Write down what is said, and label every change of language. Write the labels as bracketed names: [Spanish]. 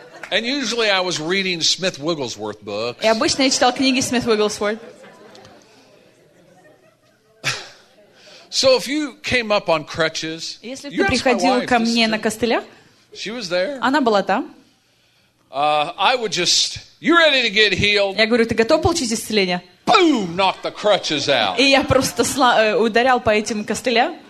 [English] And usually I was reading Smith Wigglesworth books. [Russian] Я обычно читал книги Смит Уигглсворт. [English] So if you came up on crutches, [Russian] если ты приходил ко мне на костылях, [English] she was there. [Russian] Она была там. [English] I would just, you ready to get healed? [Russian] Я говорю, ты готов получить исцеление? [English] Boom! Knock the crutches out. [Russian] И я просто ударял по этим костылям.